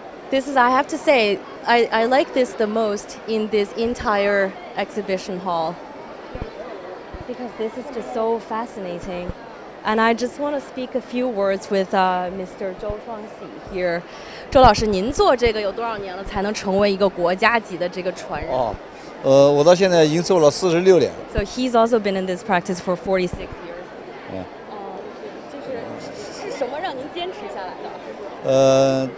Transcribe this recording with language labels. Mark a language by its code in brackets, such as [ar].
[en] This is, I have to say, I like this the most in this entire exhibition hall, because this is just so fascinating. And I just want to speak a few words with Mr. Zhou Shuangxi here. [zh] 周老师，您做这个有多少年了，才能成为一个国家级的这个传人？我到现在已经做了46年。 [en] So he's also been in this practice for 46 years. [zh] 就是什么让您坚持下来的？